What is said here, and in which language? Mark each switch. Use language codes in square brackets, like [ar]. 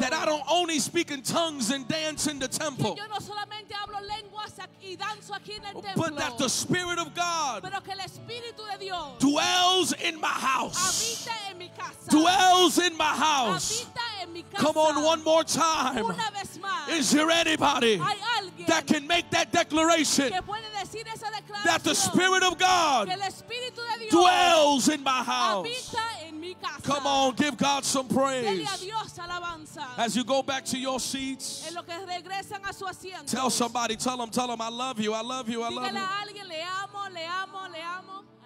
[en] That I don't only speak in tongues and dance in the temple. [es] Que yo no solamente hablo lenguas y danzo aquí en el templo. [en] But that the Spirit of God, [es] pero que el Espíritu de Dios, [en] dwells in my house. [es] Habita en mi casa. [en] Dwells in my house. [es] Habita en mi casa. [en] Come on, one more time. [es] Una vez más. [en] Is there anybody, [es] hay alguien, [en] that can make that declaration? [es] Que puede decir esa declaración, [en] that the Spirit of God, [es] que el Espíritu de Dios, [en] dwells in my house. [es] Habita en mi casa. [en] Come on, give God some praise. [es] Dele a Dios alabanza. [en] As you go back to your seats, [es] en lo que regresan a su asiento, [en] tell somebody, tell them, I love you, I love you, I love [es] dígale [en] you. [es] A alguien, le amo, le amo, le amo.